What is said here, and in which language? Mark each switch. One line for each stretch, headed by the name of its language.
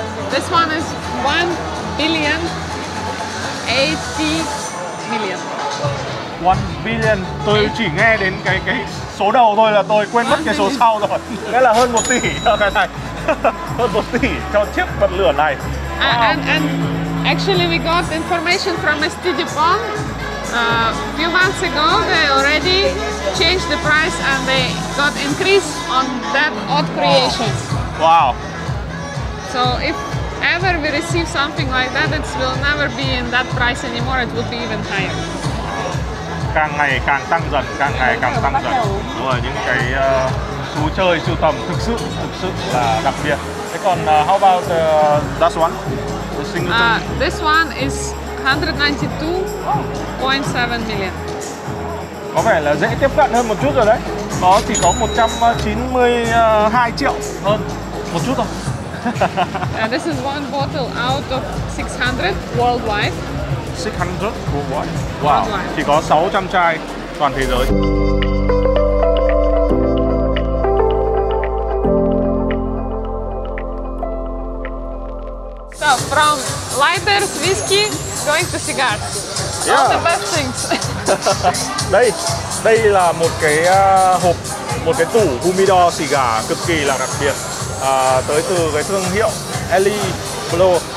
English: This one is 1 billion 80 billion. 1 billion.
Vietnamese: Tôi chỉ nghe đến cái số đầu thôi là tôi quên mất cái số sau rồi. Nghĩa là hơn 1 tỷ cho cái này. Hơn 1 tỷ cho chiếc bật lửa này.
English: Wow. And actually we got information from STG Bond a few months ago. They already changed the price and they got increase on that odd creation. Wow. So if ever we receive something like that, it will never be in that price anymore. It will be even higher.
Vietnamese: Càng ngày càng tăng dần, càng ngày càng tăng dần. Đúng rồi, những cái thú chơi sưu tầm thực sự là đặc biệt. Thế còn
English: how about that one? This one is 192.7 million.
Vietnamese: Có vẻ là dễ tiếp cận hơn một chút rồi đấy. Nó chỉ có 192 triệu hơn một chút thôi.
English: This is one bottle out of 600 worldwide. 600 worldwide. Wow. Worldwide.
Vietnamese: Chỉ có 600 chai toàn thế giới.
English: So from lighters, whiskey, going to cigars. Yeah. All the best things.
Vietnamese: Đây là một cái hộp, một cái tủ humidor xì gà cực kỳ là đặc biệt. Tới từ cái thương hiệu Elie Bleu,